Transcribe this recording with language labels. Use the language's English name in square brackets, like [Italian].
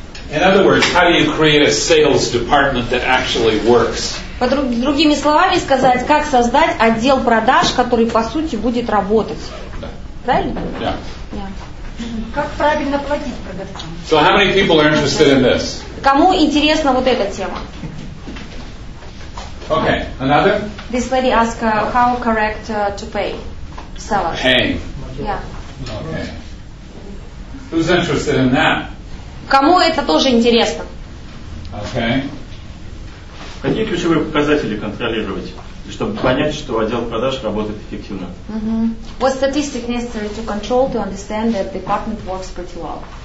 [English] In other words, how do you create a sales department that actually works? [Russian] Другими словами сказать, как создать отдел продаж, который по сути будет работать. Правильно? Да. Как правильно платить продавцам? [English] So how many people are interested in this? [Russian] Кому интересна вот эта тема? [English] Okay, another? This lady asked how correct to pay seller. Paying. Yeah. Okay. Who's interested in that? [Russian] Кому это тоже интересно? [English] Okay. [Russian] Какие ключевые показатели контролировать, чтобы понять, что отдел продаж работает эффективно? Mm-hmm. [English] What statistics necessary to control to understand that the department works pretty well?